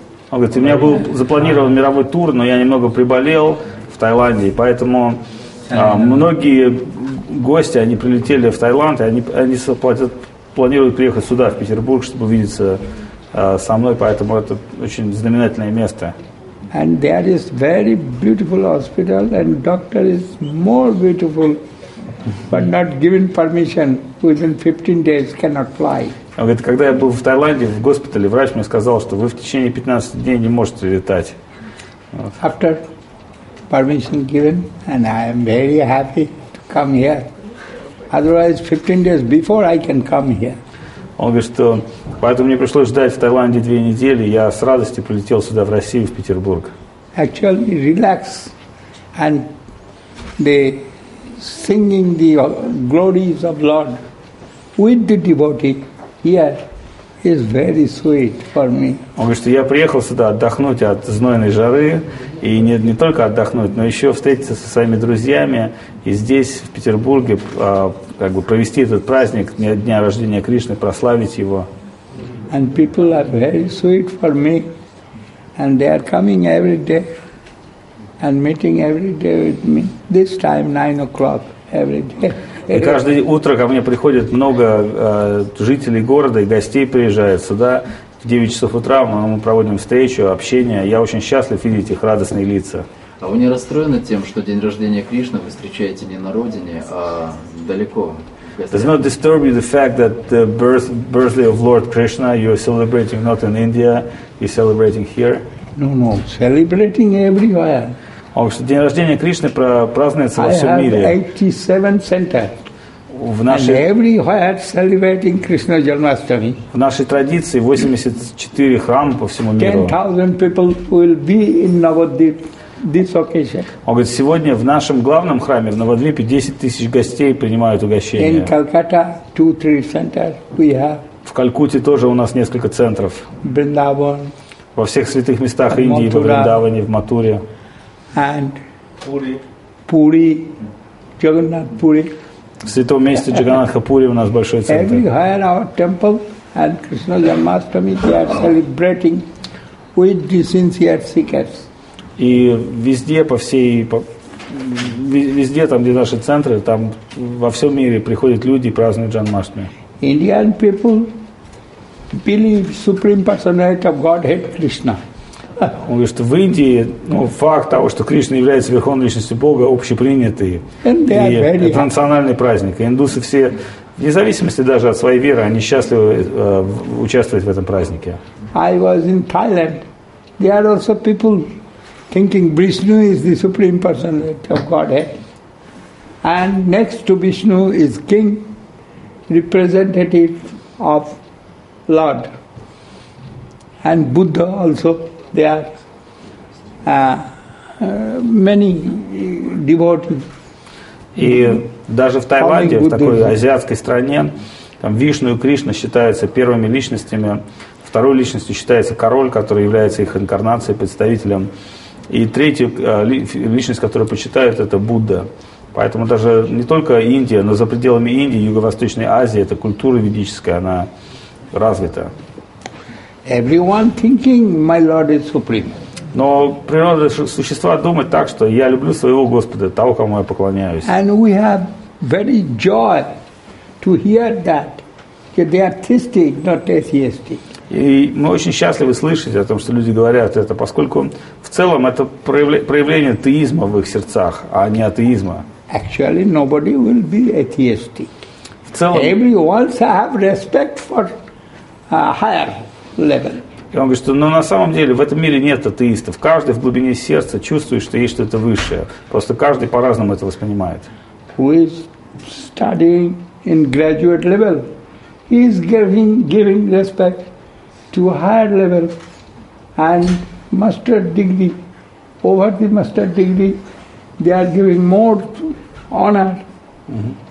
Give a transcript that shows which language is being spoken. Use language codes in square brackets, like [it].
[ru] он говорит, у меня был запланирован мировой тур, но я немного приболел в Таиланде, поэтому многие гости, они прилетели в Таиланд, и они планируют приехать сюда, в Петербург, чтобы увидеться со мной, поэтому это очень знаменательное место. [en] And there is very beautiful hospital, and doctor is more beautiful, but not given permission, within 15 days cannot fly. [ru] Он говорит, когда я был в Таиланде, в госпитале, врач мне сказал, что вы в течение 15 дней не можете летать. [en] After permission given, and I am very happy to come here. Otherwise, 15 days before I can come here. [ru] Он говорит, что поэтому мне пришлось ждать в Таиланде 2 недели, я с радостью прилетел сюда, в Россию, в Петербург. [en] Actually, relax, and the singing the glories of Lord with the devotee here is very sweet for me. [ru] Потому что я приехал сюда отдохнуть от знойной жары, и не только отдохнуть, но еще встретиться со своими друзьями, и здесь, в Петербурге, как бы провести этот праздник дня рождения Кришны, прославить его. [en] And people are very sweet for me, and they are coming every day and meeting every day with me. This time 9 o'clock every day. [ru] И каждое утро ко мне приходит много жителей города и гостей приезжают сюда. В 9 часов утра мы проводим встречу, общение. Я очень счастлив видеть их радостные лица. А вы не расстроены тем, что день рождения Кришны вы встречаете не на родине, а далеко? [en] Does not disturb you the fact that the birthday of Lord Krishna you are celebrating not in India, you're celebrating here? No, celebrating everywhere. [ru] Потому что день рождения Кришны празднуется во всем мире. [en] I have 87 centers. And everywhere celebrating Krishna Janmashtami. [ru] В нашей традиции 84 храма по всему миру. [en] 10,000 people will be in Navadvip this occasion. [ru] Он говорит, сегодня в нашем главном храме в Навадвипе 10,000 гостей принимают угощение. [en] In Calcutta 2-3 centers we have. [ru] В Калькутте тоже у нас несколько центров. [en] Vrindavan. [ru] Во всех святых местах Индии, в Вриндаване, в Матуре. [en] And Puri, Jagannath Puri. [ru] В святом месте Джаганнатха Пури у нас большой центр. [en] Everywhere our temple and Krishna Janmashtami, they are celebrating with the sincere seekers. [ru] И везде, по всей, везде там, где наши центры, там во всем мире приходят люди и празднуют Джанмаштами. [en] Indian people believe Supreme Personality of Godhead Krishna. [ru] Он говорит, что в Индии факт того, что Кришна является Верховной Личностью Бога, общепринятый и национальный праздник. И индусы все, вне зависимости даже от своей веры, они счастливы участвовать в этом празднике. [en] I was in Thailand. There are also people thinking Vishnu is the Supreme Personality of Godhead. And next to Vishnu is King, representative of Lord. And Buddha also. There are many devotees. [ru] И даже в Таиланде, в такой азиатской стране, там Вишну и Кришна считаются первыми личностями. Второй личностью считается король, который является их инкарнацией, представителем. И третья личность, которую почитают, это Будда. Поэтому даже не только Индия, но за пределами Индии, Юго-Восточной Азии, эта культура ведическая, она развита. [en] Everyone thinking my Lord is supreme. [ru] Но природа существа думает так, что я люблю своего Господа, того, кому я поклоняюсь. [en] And we have very joy to hear that, that they are theistic, not atheistic. [ru] И мы очень счастливы слышать о том, что люди говорят это, поскольку в целом это проявление теизма в их сердцах, а не атеизма. [en] Actually, nobody will be atheistic. [ru] В целом. [en] Everyone have respect for higher. [ru] И он говорит, что на самом деле в этом мире нет атеистов. Каждый в глубине сердца чувствует, что есть что-то высшее. Просто каждый по-разному это воспринимает. [en] Who is studying in graduate level, he is giving respect to higher level and master degree. Over the master degree, they are giving more honor. Mm-hmm.